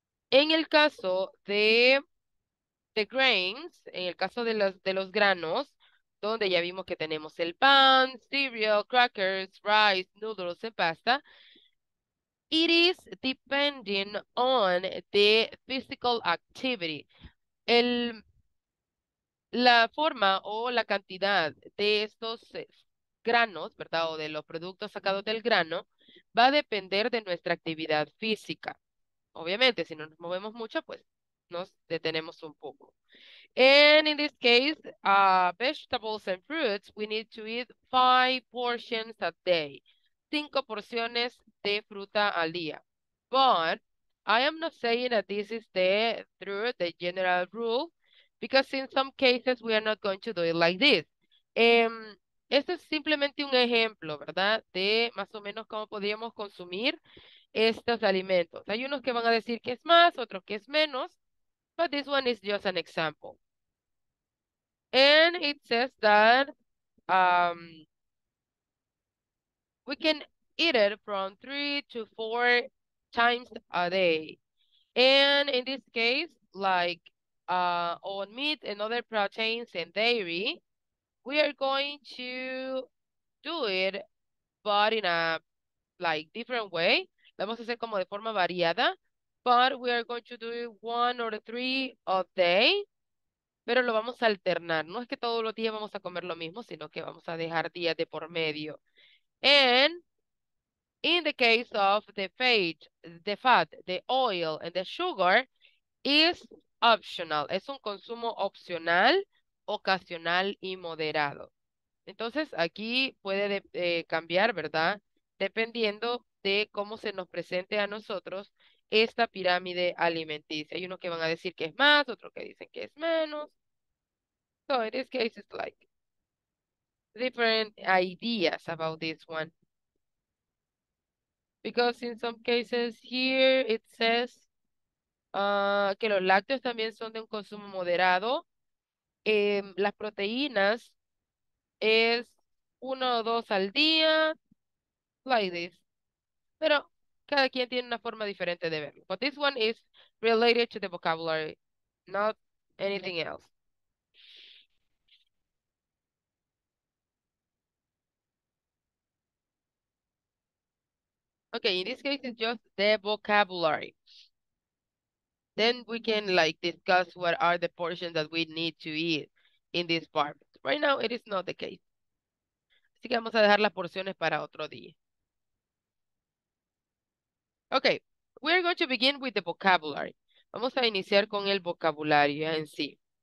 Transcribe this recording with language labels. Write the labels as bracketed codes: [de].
[es] En el caso de [en] the grains, [es] en el caso de los granos, donde ya vimos que tenemos el pan, cereal, [en] crackers, rice, noodles, and pasta, it is depending on the physical activity. [es] La forma o la cantidad de estos granos, ¿verdad? O de los productos sacados del grano, va a depender de nuestra actividad física. Obviamente, si no nos movemos mucho, pues nos detenemos un poco. [en] And in this case, vegetables and fruits, we need to eat 5 portions a day. [es] 5 porciones de fruta al día. [en] But I am not saying that this is the general rule, because in some cases we are not going to do it like this. [es] Esto es simplemente un ejemplo, ¿verdad? De más o menos cómo podríamos consumir estos alimentos. Hay unos que van a decir que es más, otros que es menos, [en] but this one is just an example. And it says that we can eat it from 3 to 4 times a day. And in this case, like on meat and other proteins and dairy, we are going to do it, but in a like different way. Vamos a hacer como de forma variada, but we are going to do it 1 or 3 a day, pero lo vamos a alternar. [es] No es que todos los días vamos a comer lo mismo, sino que vamos a dejar días de por medio. [en] And in the case of the fat, the oil, and the sugar is optional. [es] Es un consumo opcional, ocasional y moderado. Entonces, aquí puede cambiar, ¿verdad? Dependiendo de cómo se nos presente a nosotros esta pirámide alimenticia. Hay unos que van a decir que es más, otros que dicen que es menos. [en] So, in this case, it's like different ideas about this one. Because in some cases here it says [es] que los lácteos también son de un consumo moderado. Las proteínas es 1 o 2 al día, [en] like this. [es] Pero cada quien tiene una forma diferente de verlo. [en] But this one is related to the vocabulary, not anything else. Okay, in this case, it's just the vocabulary. Then we can, like, discuss what are the portions that we need to eat in this part. Right now, it is not the case. [es] Así que vamos a dejar las porciones para otro día. [en] Ok, we are going to begin with the vocabulary. [es] Vamos a iniciar con el vocabulario en sí.